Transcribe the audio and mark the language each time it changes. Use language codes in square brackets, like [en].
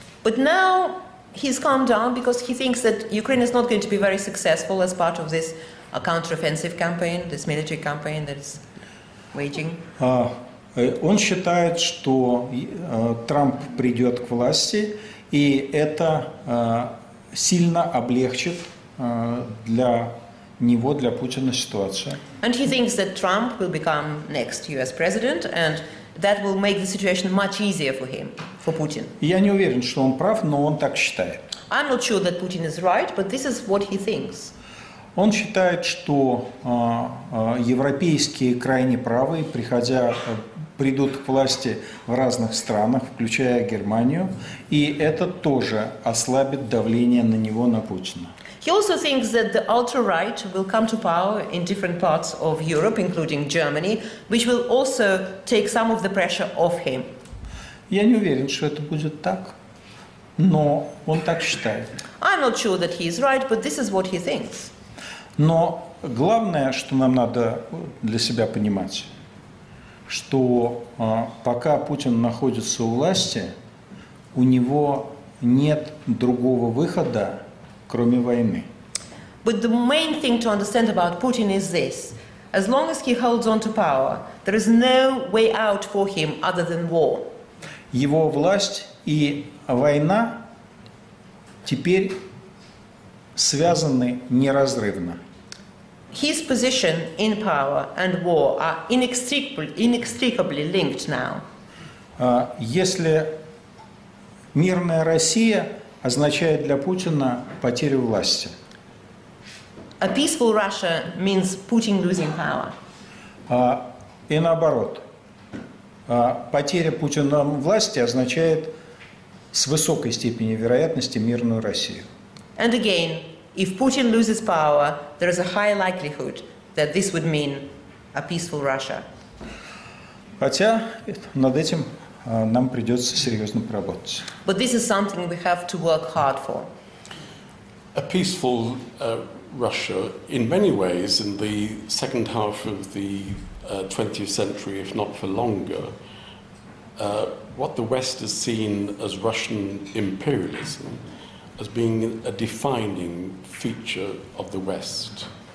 [en] But now he's calmed down because he thinks that Ukraine is not going to be very successful as part of this counter-offensive campaign, this military campaign that is waging. [ru] Он считает, что Трамп придет к власти, и это сильно облегчит для него, для Путина ситуацию. [en] And he thinks that Trump will become next US president, and that will make the situation much easier for him, for Putin. [ru] Я не уверен, что он прав, но он так считает. [en] I'm not sure that Putin is right, but this is what he thinks. [ru] Он считает, что европейские крайне правые, придут к власти в разных странах, включая Германию, и это тоже ослабит давление на него, на Путина. [en] He also thinks that the ultra-right will come to power in different parts of Europe, including Germany, which will also take some of the pressure off him. [ru] Я не уверен, что это будет так, но он так считает. [en] I'm not sure that he is right, but this is what he thinks. [ru] Но главное, что нам надо для себя понимать, что пока Путин находится у власти, у него нет другого выхода, кроме войны. [en] But the main thing to understand about Putin is this. As long as he holds on to power, there is no way out for him other than war. [ru] Его власть и война теперь связаны неразрывно. [en] His position in power and war are inextricably linked now. [ru] Если мирная Россия означает для Путина потерю власти. [en] A peaceful Russia means Putin losing power. [ru] И наоборот. Потеря Путина власти означает с высокой степенью вероятности мирную Россию. [en] And again, if Putin loses power, there is a high likelihood that this would mean a peaceful Russia. [ru] Хотя над этим нам придется серьезно поработать. [en] But this is something we have to work hard for. A peaceful Russia, in many ways, in the second half of the 20th century, if not for longer, what the West has seen as Russian imperialism as being a defining feature of the West.